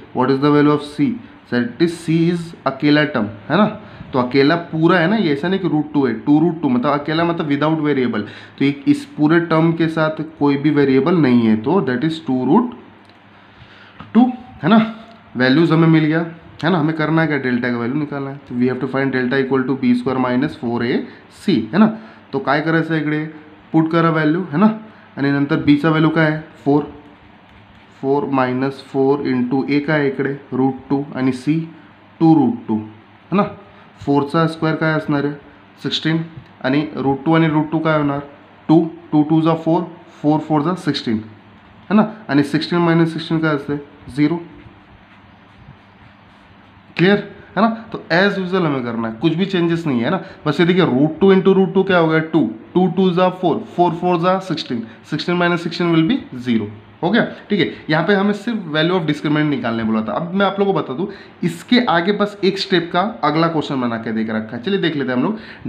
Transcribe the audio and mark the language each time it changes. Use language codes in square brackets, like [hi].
[en] what is the value of C, [hi] that is C is अकेला term, है ना, तो अकेला पूरा है ना, ये ऐसा नहीं कि रूट टू है, टू रूट टू मतलब अकेला मतलब विदाउट वेरिएबल, तो एक इस पूरे टर्म के साथ कोई भी वेरिएबल नहीं है, तो [en] that is two root two, [hi] है ना, वैल्यूज हमें मिल गया है ना, हमें करना है क्या, डेल्टा का वैल्यू निकालना है। तो [en] we have to find delta equal to B square minus four A C, [hi] है ना। [mr] तो काय करा सा इकड़े पुट करा वैल्यू, है ना, आणि नंतर बी चा वैल्यू काय आहे, four, four minus four into ए काय इकडे रूट टू आणि सी टू रूट टू, है ना। फोरचा स्क्वेअर काय असणार आहे, सिक्सटीन, आणि रूट टू आणि रूट टू काय होणार, टू, टू टू जा फोर, फोर फोर जा सिक्सटीन, है ना, आणि सिक्सटीन मायनस सिक्सटीन काय असते, झिरो। [hi] क्लियर है ना। तो एज यूजल हमें करना है, कुछ भी चेंजेस नहीं है ना, बस ये देखिए root two into root two क्या हो गया, टू, टू टू ज़ा फोर, फोर फोर ज़ा sixteen, [en] sixteen minus sixteen will be zero, [hi] हो गया। ठीक है, यहाँ पे हमें सिर्फ वैल्यू ऑफ डिस्क्रिमिनेंट निकालने बोला था। अब मैं आप लोगों को बता दूँ, इसके आगे बस एक स्टेप का अगला क्वेश्चन बना के देख रखा है, चलिए देख लेते हैं हम लोग।